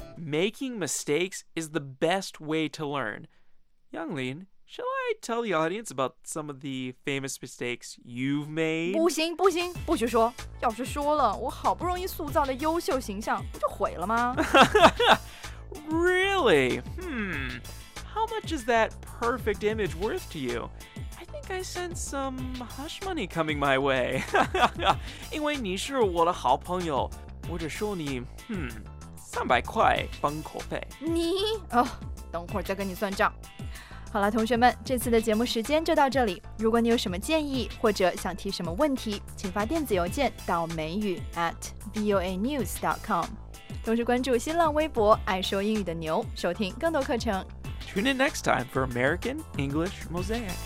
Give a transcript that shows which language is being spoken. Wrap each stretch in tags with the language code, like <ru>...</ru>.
<en>Making mistakes is the best way to learn. Yanglin, shall I tell the audience about some of the famous mistakes you've made?</en> <zh>不行不行，不许说。要是说了，我好不容易塑造的优秀形象不就毁了吗？</zh> <en>Really? How much is that perfect image worth to you? I think I sent some hush money coming my way.</en> <zh>因为你是我的好朋友，我只收你300块封口费。你哦，等会儿再跟你算账。好了，同学们，这次的节目时间就到这里。如果你有什么建议或者想提什么问题，请发电子邮件到美语 @voanews.com， 同时关注新浪微博“爱说英语的牛”，收听更多课程。</zh> <en>Tune in next time for American English Mosaic.</en>